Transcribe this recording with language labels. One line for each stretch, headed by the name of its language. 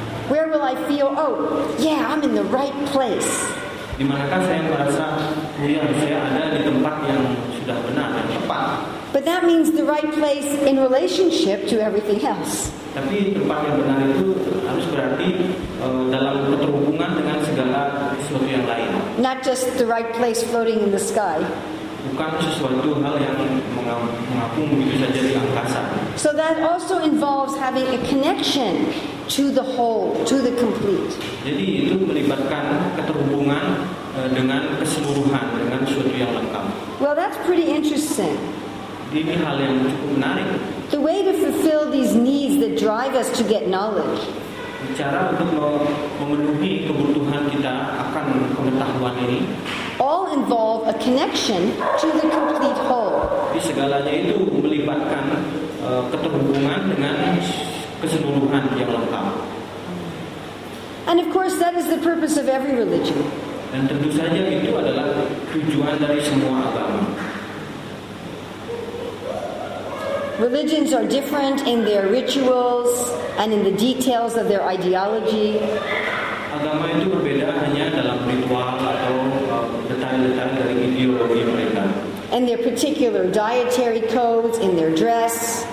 English: Where will I feel, oh, yeah, I'm in the right place?
Indonesian: Di manakah saya merasa ya, saya ada di tempat yang sudah benar dan tepat?
English: But that means the right place in relationship to everything else.
Indonesian: Tapi tempat yang benar itu harus berarti dalam keterhubungan dengan segala sesuatu yang lain.
English: Not just the right place floating in the sky.
Indonesian: Bukan sesuatu hal yang mengapung begitu saja di angkasa.
English: So that also involves having a connection to the whole, to the complete.
Indonesian: Jadi itu melibatkan keterhubungan dengan keseluruhan, dengan sesuatu yang lengkap.
English: Well, that's pretty interesting.
Indonesian: Ini hal yang cukup menarik.
English: The way to fulfill these needs that drive us to get knowledge.
Indonesian: Cara untuk memenuhi kebutuhan kita akan pengetahuan ini.
English: All involve a connection to the complete whole.
Indonesian: Jadi segalanya itu melibatkan keterhubungan dengan keseluruhan yang lengkap.
English: And of course, that is the purpose of every religion.
Indonesian: Dan tentu saja itu adalah tujuan dari semua agama.
English: Religions are different in their rituals and in the details of their ideology.
Indonesian: Agama itu berbeda hanya dalam ritual atau detail-detail dari ideologi mereka.
English: And their particular dietary codes in their dress.